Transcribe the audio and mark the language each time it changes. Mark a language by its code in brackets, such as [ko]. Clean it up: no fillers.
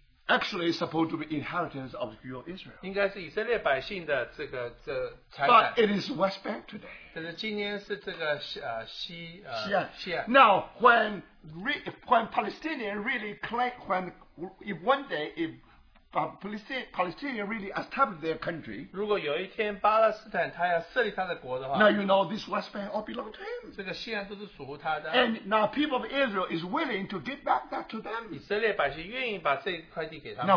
[en] Actually, it's supposed to be inheritance of your Israel. [zh] 应该是以色列百姓的这个财产。 [en] But it is West Bank today. [zh] 但是今天是这个西岸。 [en] Now, when Palestinian really claim, when if one day if Palestinian really established their country, [zh] 如果有一天巴勒斯坦他要设立他的国的话, [en] now you know this West Bank all belong to him. [zh] 这个西岸都是属乎他的, [en] and now people of Israel is willing to give back that to them. [zh] 以色列百姓愿意把这块地给他们,